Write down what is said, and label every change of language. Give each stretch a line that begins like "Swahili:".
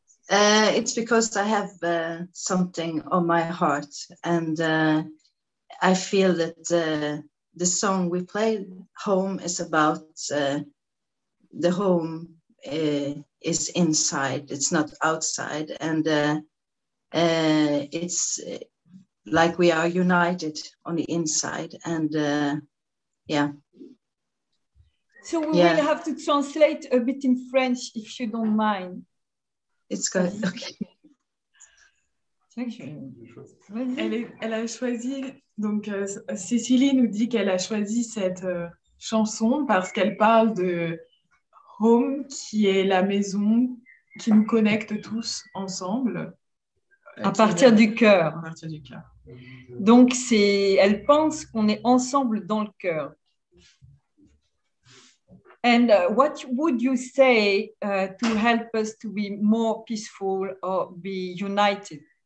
English: It's because I have something on my heart, and I feel that the song we play, Home, is about the home is inside, it's not outside, and it's like we are united on the inside, and So we will have to translate a bit in French, if you don't mind. It's good. Okay. Thank you.
French: Elle a choisi, donc Cecilie nous dit qu'elle a choisi cette chanson parce qu'elle parle de home, qui est la maison qui nous connecte tous ensemble. À partir du cœur. Donc elle pense qu'on est ensemble dans le cœur.
English: And what would you say to help us to be more peaceful or be united?